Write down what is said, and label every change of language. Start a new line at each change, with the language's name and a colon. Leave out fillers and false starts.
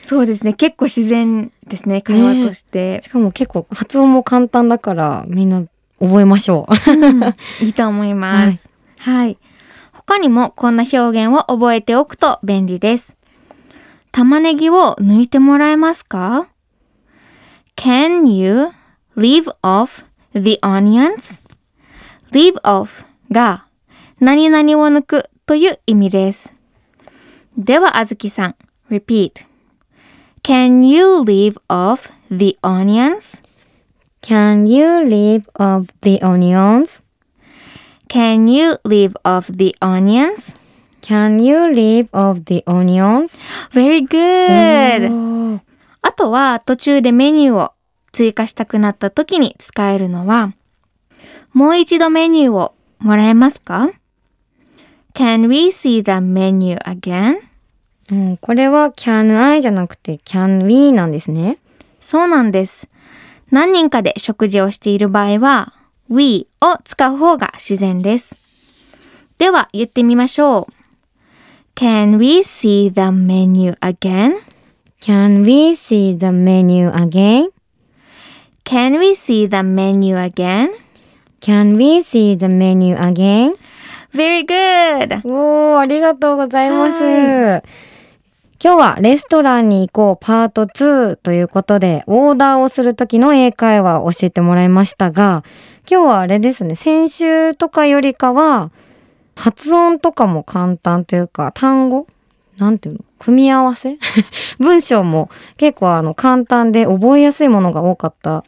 Japanese: そうですね、結構自然ですね、会話として、しかも結構発音も簡単だからみんな覚えましょう。いいと思います。はい、はい。他にもこんな表現を覚えておくと便利です。玉ねぎを抜いてもらえますか。
English: Can you leave off the onionsLeave off
Japanese: が何々を抜くという意味です。では、あずきさん、
English: repeat. Can you leave off the onions? Can you leave off the onions? Can you leave off the onions? Can you leave off the onions? Very good!
Japanese: あとは、途中でメニューを追加したくなった時に使えるのは、もう一度メニューをもらえますか?
English: Can we see the menu again?
Japanese: これは
English: Can I
Japanese: じゃなくて
English: Can we
Japanese: なんですね。そうなんです。何人かで食事をしている場合は We を使う方が自然です。では言ってみましょう。
English: Can we see the menu again? Can we see the menu again? Can we see the menu again? Can we see the menu again? Very good!
Japanese: おー、ありがとうございます。今日はレストランに行こうパート2ということで、オーダーをするときの英会話を教えてもらいましたが、今日はあれですね、先週とかよりかは、発音とかも簡単というか、単語なんていうの組み合わせ文章も結構簡単で覚えやすいものが多かった。